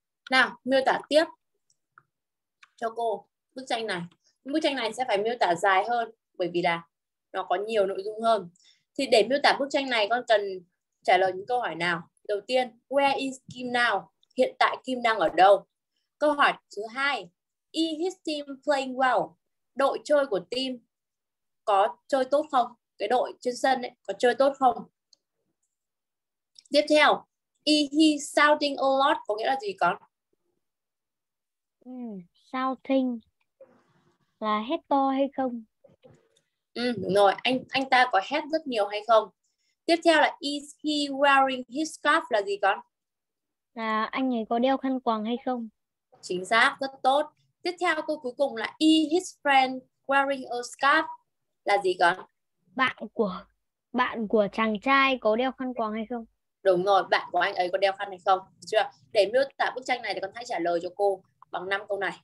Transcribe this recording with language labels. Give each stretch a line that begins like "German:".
Vietnamese: Nào, miêu tả tiếp cho cô bức tranh này. Bức tranh này sẽ phải miêu tả dài hơn bởi vì là nó có nhiều nội dung hơn. Thì để miêu tả bức tranh này, con cần trả lời những câu hỏi nào? Đầu tiên,
English: where is Kim now?
Vietnamese: Hiện tại Kim đang ở đâu? Câu hỏi thứ hai,
English: is his team playing well?
Vietnamese: Đội chơi của team có chơi tốt không? Cái đội trên sân ấy, có chơi tốt không? Tiếp theo,
English: is he shouting a lot?
Vietnamese: Có nghĩa là gì con? Shouting là hét to hay không? Đúng rồi, anh ta có hét rất nhiều hay không? Tiếp theo là
English: is he wearing his scarf
Vietnamese: là gì con? Là anh ấy có đeo khăn quàng hay không? Chính xác, rất tốt. Tiếp theo câu cuối cùng là
English: is his friend wearing a scarf
Vietnamese: là gì con? Bạn của chàng trai có đeo khăn quàng hay không? Đúng rồi, bạn của anh ấy có đeo khăn hay không? Chưa? Để miêu tả bức tranh này thì con hãy trả lời cho cô bằng 5 câu này.